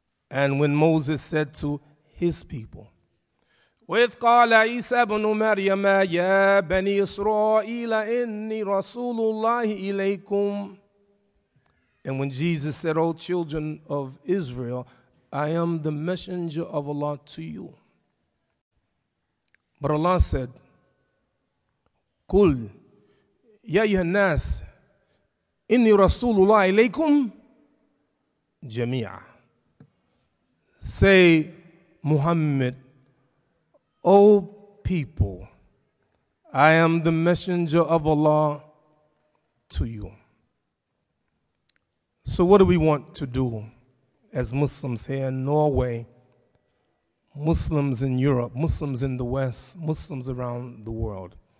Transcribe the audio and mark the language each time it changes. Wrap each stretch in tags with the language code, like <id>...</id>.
<en>And when Moses said to his people,</en> <ar>وَإِذْ قَالَ عِيسَى بْنُ مَرْيَمَ يَا بَنِي إِسْرَائِيلَ إِنِّي رَسُولُ اللَّهِ إِلَيْكُمْ.</ar> <en>And when Jesus said, O children of Israel, I am the messenger of Allah to you. But Allah said,</en> <ar>قُلْ يَا أَيُّهَا النَّاسِ إِنِّي رَسُولُ اللَّهِ إِلَيْكُمْ جَمِيعًا.</ar> <en>Say, Muhammad, O people, I am the messenger of Allah to you. So what do we want to do as Muslims here in Norway, Muslims in Europe, Muslims in the West, Muslims around the world?</en>